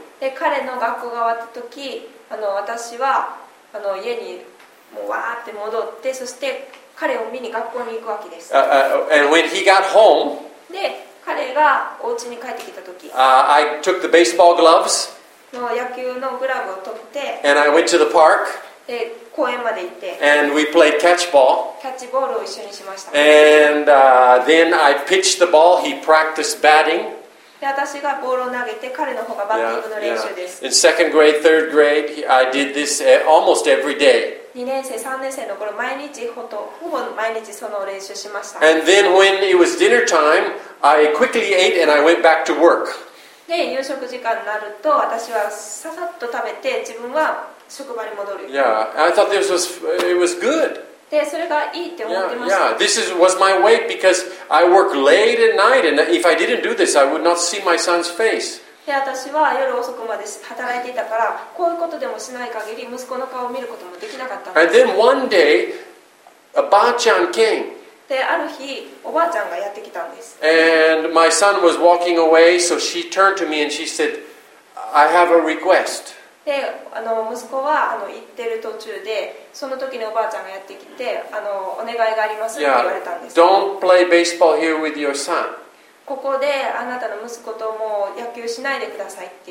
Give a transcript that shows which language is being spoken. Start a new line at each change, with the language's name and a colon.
Japanese: で、彼の学校が終わった時、私は家にもうわーって戻って、そして彼を見に学校に行くわけです。
English: And when he got home,
Japanese: で彼がお家に帰ってきた時、
English: I took the baseball gloves,
Japanese: の野球のグラブを取って、
English: and I went to the park,
Japanese: で公園まで行って、
English: and we played catch ball,
Japanese: キャッチボールを一緒にしました。
English: And then I pitched the ball, he practiced batting.
Japanese: で私がボールを投げて彼の方がバッティングの練習です。 Yeah, yeah.
English: In second grade, third grade, I did this almost every day.
Japanese: 2年生、3年生の頃毎日ほぼ毎日その練習しました。
English: And then when it was dinner time, I quickly ate and I went back to work.
Japanese: で夕食時間になると私はささっと食べて自分は職場に戻る。
English: Yeah, I thought this was, it was good.
Japanese: でそれがいいって思ってました。 Yeah, yeah.
English: This was my way because I work late at night and if I didn't do this, I would not see my son's face.
Japanese: で私は夜遅くまで働いていたから、こういうことでもしない限り息子の顔を見ることもできなかったんです。
English: And then one day, a ba-chan came.
Japanese: で、ある日、おばあちゃんがやってきたんです。
English: And my son was walking away, so she turned to me and she said, I have a request.
Japanese: で息子は行ってる途中で、その時におばあちゃんがやってきて、お願いがありますって言われたんです。
English: Don't play baseball here with your son.
Japanese: ここであなたの息子ともう野球しないでくださいって